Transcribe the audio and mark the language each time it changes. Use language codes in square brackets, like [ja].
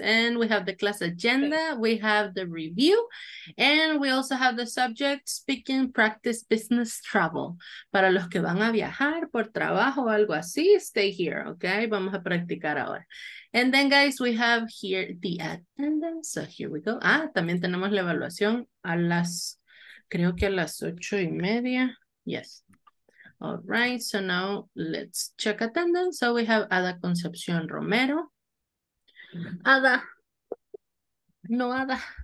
[en] And we have the class agenda, we have the review, and we also have the subject speaking practice business travel. [es] Para los que van a viajar por trabajo o algo así, [en] stay here, okay? [es] Vamos a practicar ahora. [en] And then, guys, we have here the attendance. So here we go. [es] Ah, también tenemos la evaluación a las, creo que a las 8:30. [en] Yes. All right. So now let's check attendance. So we have Ada Concepción Romero. Ada. No, Ada.